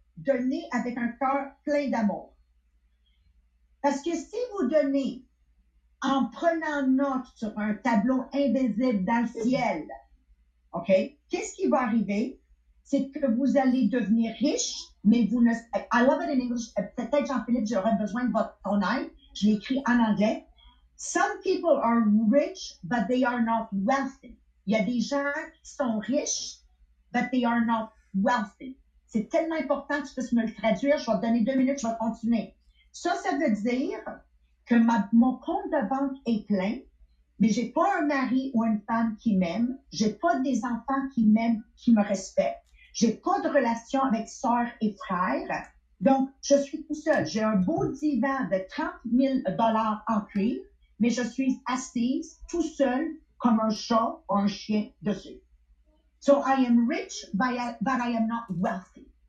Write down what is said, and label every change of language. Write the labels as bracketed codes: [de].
[fr] Donner avec un cœur plein d'amour. Parce que si vous donnez en prenant note sur un tableau invisible dans le ciel, OK, qu'est-ce qui va arriver? C'est que vous allez devenir riche, mais vous ne... [en] I love it in English. [fr] Peut-être, Jean-Philippe, j'aurais besoin de ton aide. Je l'ai écrit en anglais. [en] Some people are rich, but they are not wealthy. [fr] Il y a des gens qui sont riches, [en] but they are not wealthy. [fr] C'est tellement important que tu puisses me le traduire. Je vais te donner 2 minutes, je vais continuer. Ça veut dire que mon compte de banque est plein, mais j'ai pas un mari ou une femme qui m'aime. J'ai pas des enfants qui m'aiment, qui me respectent. J'ai pas de relation avec sœurs et frères. Donc, je suis tout seul. J'ai un beau divan de $30,000 en cuir, mais je suis assise tout seul comme un chat ou un chien dessus. [en] So, I am rich, but I am not wealthy.